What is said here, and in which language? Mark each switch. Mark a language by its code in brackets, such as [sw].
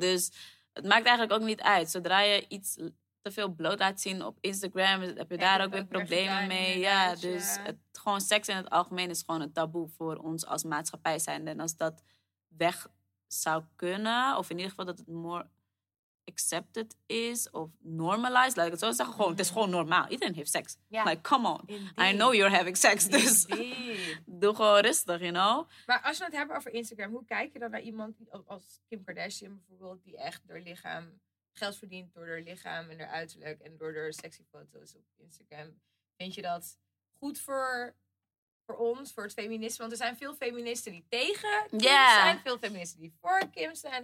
[nl] Dus het maakt eigenlijk ook niet uit. Zodra je iets te veel bloot laat zien op Instagram, heb je daar ook weer problemen mee. Ja, dus het, gewoon seks in het algemeen is gewoon een taboe voor ons als maatschappij zijnde. En als dat weg zou kunnen, of in ieder geval dat het [en] more accepted [nl] is of [en] normalized, [nl] laat ik het zo zeggen, gewoon, het is gewoon normaal. Iedereen heeft seks. [en] Yeah. Like, come on. Indeed. I know you're having sex, [nl] dus doe gewoon rustig, [en] you know? [nl] Maar als we het hebben over Instagram, hoe kijk je dan naar iemand als Kim Kardashian bijvoorbeeld, die echt door lichaam geld verdient, door haar lichaam en haar uiterlijk en door haar sexy foto's op Instagram? Vind je dat goed voor ons, voor het feminisme? Want er zijn veel feministen die tegen Kim zijn, veel feministen die voor Kim zijn.